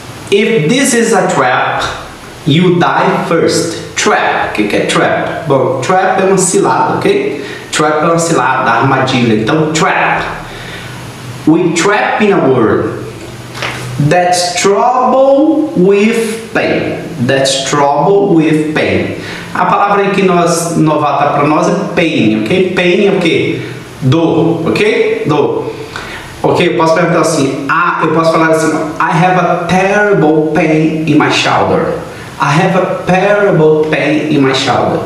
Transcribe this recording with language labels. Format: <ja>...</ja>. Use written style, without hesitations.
<en>If this is a trap, you die first. Trap.</en> <pt>O que é trap? Bom, trap é uma cilada, ok? Trap é uma cilada, armadilha. Então, trap.</pt> <en>We trap in a world that's trouble with pain. That's trouble with pain.</en> <pt>A palavra que nós, novata para nós, é pain, ok? Pain é o quê? Dor, ok? Dor. Ok, eu posso perguntar assim. Ah, eu posso falar assim.</pt> <en>I have a terrible pain in my shoulder. I have a terrible pain in my shoulder.</en>